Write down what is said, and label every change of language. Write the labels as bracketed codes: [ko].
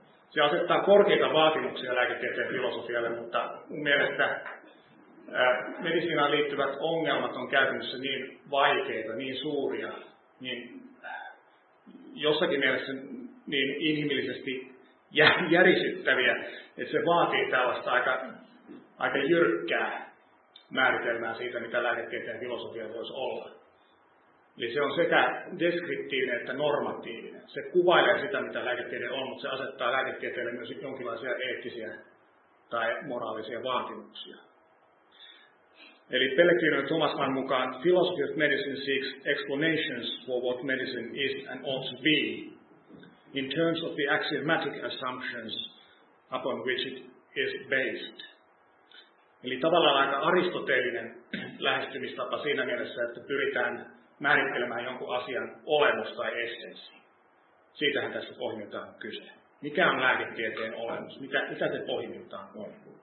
[fi] Se asettaa korkeita vaatimuksia lääketieteen filosofialle, mutta mun mielestä medisiinaan liittyvät ongelmat on käytännössä niin vaikeita, niin suuria, niin jossakin mielessä niin inhimillisesti järisyttäviä, että se vaatii tällaista aika jyrkkää määritelmään siitä, mitä lääketieteen filosofia voisi olla. Eli se on sekä deskriptiivinen että normatiivinen. Se kuvailee sitä, mitä lääketiede on, mutta se asettaa lääketieteelle myös jonkinlaisia eettisiä tai moraalisia vaatimuksia. Eli Pellegrinon Thomas Mann mukaan [en] philosophy of medicine seeks explanations for what medicine is and ought to be in terms of the axiomatic assumptions upon which it is based. [fi] Eli tavallaan aika aristoteellinen lähestymistapa siinä mielessä, että pyritään määrittelemään jonkun asian olemus tai essenssi. Siitähän tässä pohjimmiltaan kyse. Mikä on lääketieteen olemus? Mitä se pohjimmiltaan on?